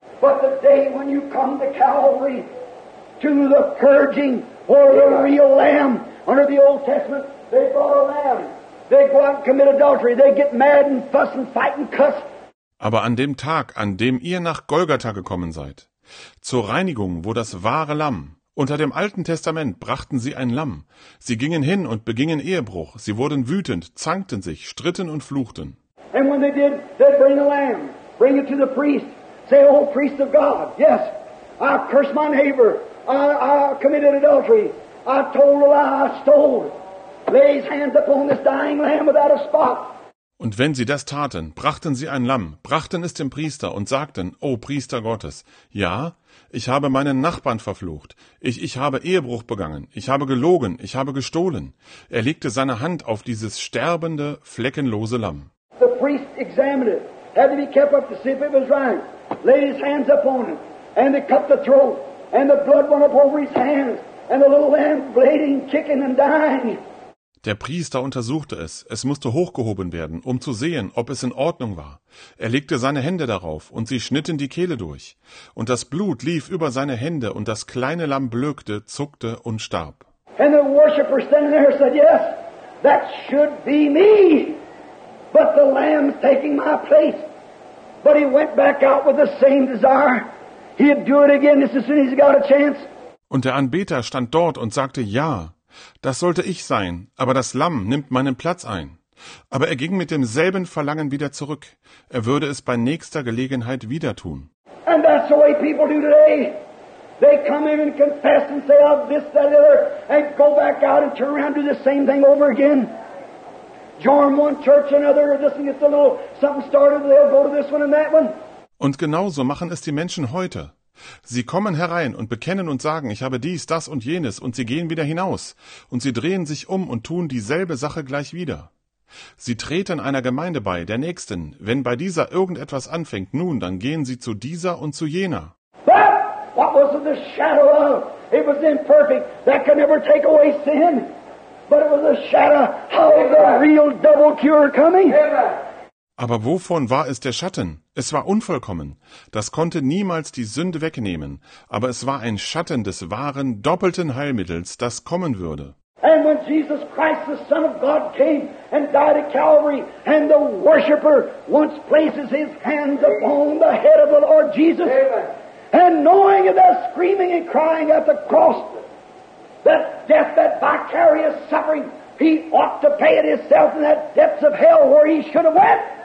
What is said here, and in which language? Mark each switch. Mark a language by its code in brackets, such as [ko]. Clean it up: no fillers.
[en] But the day when you come to Calvary, to the purging for the real lamb, under the Old Testament, they brought a lamb. They go out and commit adultery, they get mad and fuss and fight and cuss. [de] Aber an dem Tag, an dem ihr nach Golgatha gekommen seid, zur Reinigung, wo das wahre Lamm, unter dem Alten Testament brachten sie ein Lamm. Sie gingen hin und begingen Ehebruch. Sie wurden wütend, zankten sich, stritten und fluchten. [en] And when they did, they'd bring a lamb, bring it to the priest, say, oh, priest of God, yes, I cursed my neighbor, I committed adultery, I told a lie, I stole, lay his hands upon this dying lamb without a spot. [de] Und wenn sie das taten, brachten sie ein Lamm, brachten es dem Priester und sagten, O Priester Gottes, ja, ich habe meinen Nachbarn verflucht, ich habe Ehebruch begangen, ich habe gelogen, ich habe gestohlen. Er legte seine Hand auf dieses sterbende, fleckenlose Lamm. [en] The priest examined it, had to be kept up to see if it was right, laid his hands upon it, and they cut the throat, and the blood went up over his hands, and the little lamb bleeding, kicking and dying. [de] Der Priester untersuchte es. Es musste hochgehoben werden, um zu sehen, ob es in Ordnung war. Er legte seine Hände darauf und sie schnitten die Kehle durch. Und das Blut lief über seine Hände und das kleine Lamm blökte, zuckte und starb. [en] And the worshipper standing there said, yes, that should be me. But the lamb's taking my place. But he went back out with the same desire. He'd do it again just as soon as he got a chance. [de] Und der Anbeter stand dort und sagte, ja, das sollte ich sein, aber das Lamm nimmt meinen Platz ein. Aber er ging mit demselben Verlangen wieder zurück. Er würde es bei nächster Gelegenheit wieder tun. [en] And that's the way people do today. They come in and confess and say, oh, this, that, other, and go back out and turn around and do the same thing over again. Join one church, another, this and gets a little something started, they'll go to this one and that one. [de] Und genauso machen es die Menschen heute. Sie kommen herein und bekennen und sagen, ich habe dies, das und jenes, und sie gehen wieder hinaus, und sie drehen sich um und tun dieselbe Sache gleich wieder. Sie treten einer Gemeinde bei, der nächsten, wenn bei dieser irgendetwas anfängt, nun, dann gehen sie zu dieser und zu jener. [en] What was the shadow of? It was imperfect. That could never take away sin. But it was a shadow of the real double cure coming. [de] Aber wovon war es der Schatten? Es war unvollkommen. Das konnte niemals die Sünde wegnehmen. Aber es war ein Schatten des wahren, doppelten Heilmittels, das kommen würde. [en] And when Jesus Christ, the Son of God, came and died at Calvary, and the worshipper once places his hands upon the head of the Lord Jesus, and knowing and screaming and crying at the cross, that death, that vicarious suffering, he ought to pay it himself in that depths of hell where he should have went.